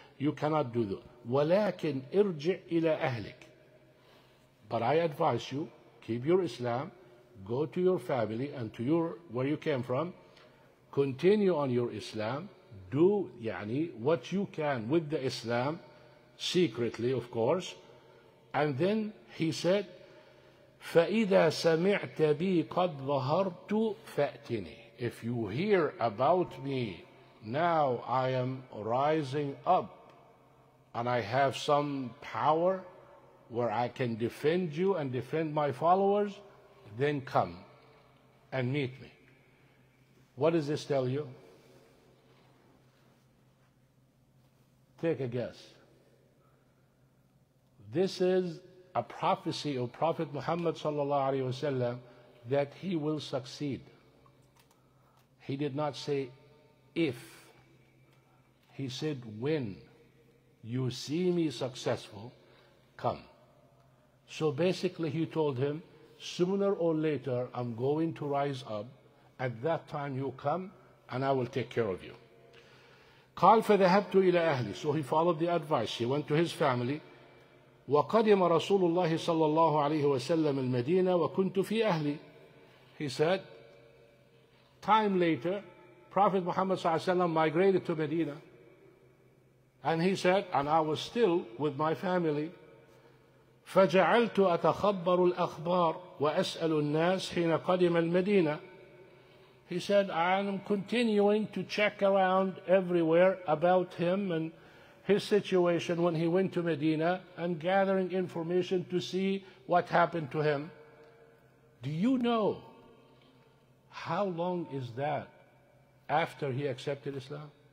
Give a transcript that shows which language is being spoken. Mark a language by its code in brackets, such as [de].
[en] You cannot do that. [ar] وَلَكِنْ ارْجِعْ إِلَىٰ أَهْلِكَ. [en] But I advise you, keep your Islam, go to your family and to your where you came from, continue on your Islam, do يعني what you can with the Islam, secretly of course. And then he said, [ar] فَإِذَا سَمِعْتَ بِي قَدْ ظَهَرْتُ فَأْتِنِي. [en] If you hear about me, now I am rising up and I have some power, where I can defend you and defend my followers, then come and meet me. What does this tell you? Take a guess. This is a prophecy of Prophet Muhammad sallallahu alaihi wasallam that he will succeed. He did not say if. He said when you see me successful, come. So basically he told him, sooner or later I'm going to rise up, at that time you come and I will take care of you. [ar] قال فذهبت إلى أهلي. [en] So he followed the advice, he went to his family. [ar] وقدم رسول الله صلى الله عليه وسلم المدينة وكنت في أهلي. [en] He said, time later, Prophet Muhammad صلى الله عليه وسلم migrated to Medina. And he said, and I was still with my family. [ar] فجعلت أتخبر الأخبار وأسأل الناس حين قدم المدينة. [en] He said, I'm continuing to check around everywhere about him and his situation when he went to Medina and gathering information to see what happened to him. Do you know how long is that after he accepted Islam?